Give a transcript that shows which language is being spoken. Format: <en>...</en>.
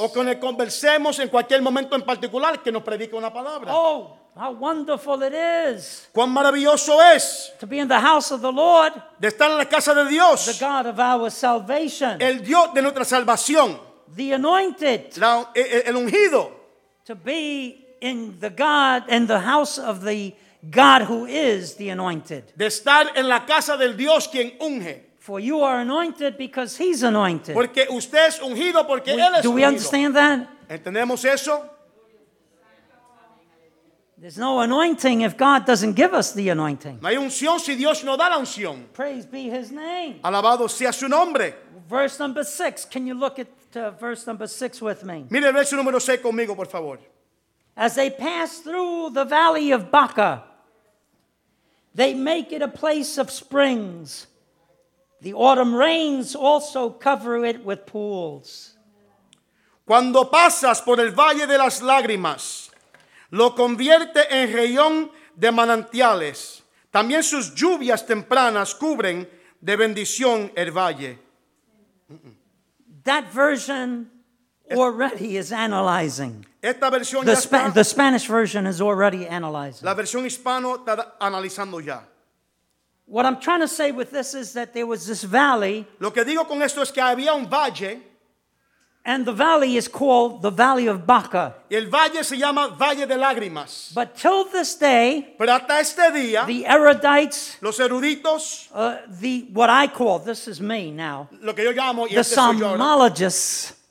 <es>O con el conversemos en cualquier momento en particular que nos predique una palabra.</es> <en>Oh, how wonderful it is.</en> <es>Cuán maravilloso es.</es> <en>To be in the house of the Lord.</en> <es>De estar en la casa de Dios.</es> <en>The God of our salvation.</en> <es>El Dios de nuestra salvación.</es> <en>The anointed.</en> <es>El ungido.</es> <en>To be in the God in the house of the God who is the anointed.</en> <es>De estar en la casa del Dios quien unge.</es> <en>For you are anointed because he's anointed.</en> <es>Porque usted es ungido porque él es ungido.</es> <en>Do we understand that?</en> <es>¿Entendemos eso?</es> <en>There's no anointing if God doesn't give us the anointing.</en> <es>No hay unción si Dios no da la unción.</es> <en>Praise be his name.</en> <es>Alabado sea su nombre.</es> <en>Verse number 6. Can you look at verse number 6 with me?</en> <es>Mire el verso número 6 conmigo, por favor.</es> <en>As they pass through the valley of Baca, they make it a place of springs. The autumn rains also cover it with pools.</en> <es>Cuando pasas por el valle de las lágrimas, lo convierte en región de manantiales. También sus lluvias tempranas cubren de bendición el valle.</es> <en>That version already is analyzing.</en> <es>Esta versión</es> <en>the,</en> <es>ya está.</es> <en>The Spanish version is already analyzing.</en> <es>La versión hispano está analizando ya.</es> <en>What I'm trying to say with this is that there was this valley.</en> <es>Lo que digo con esto es que había un valle.</es> <en>And the valley is called the Valley of Baca.</en> <es>El valle se llama Valle de Lágrimas.</es> <en>But till this day,</en> <es>pero hasta este día,</es> <en>the erudites,</en> <es>los eruditos,</es> <en>what I call, this is me now,</en> <es>lo que yo llamo,</es> <en>the</en> <es>este somnologists,</es>